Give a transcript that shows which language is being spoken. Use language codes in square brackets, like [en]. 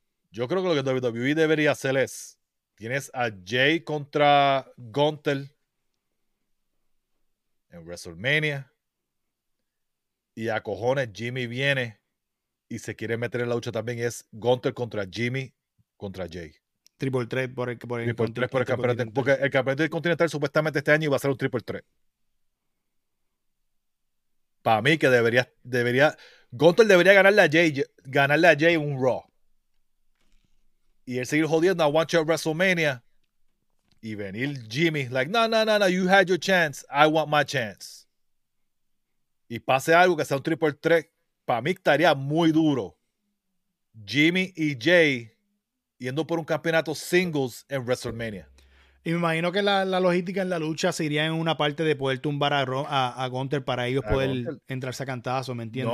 [es] Yo creo que lo que WWE debería hacer es, tienes a Jay contra Gunther en WrestleMania y a cojones Jimmy viene y se quiere meter en la lucha también, es Gunther contra Jimmy contra Jay. Triple 3 por el campeonato. Porque el campeonato del Continental supuestamente este año iba a ser un triple 3. Para mí que debería Gunther debería ganarle a Jay un Raw. Y él seguir jodiendo, [en] I want you at WrestleMania. [es] Y venir Jimmy, [en] like, no, you had your chance. I want my chance. [es] Y pase algo que sea un triple threat, para mí estaría muy duro. Jimmy y Jay yendo por un campeonato singles en WrestleMania. Y me imagino que la logística en la lucha sería en una parte de poder tumbar a Gunther para ellos a poder Gunther entrarse a cantazo, ¿me entiendes?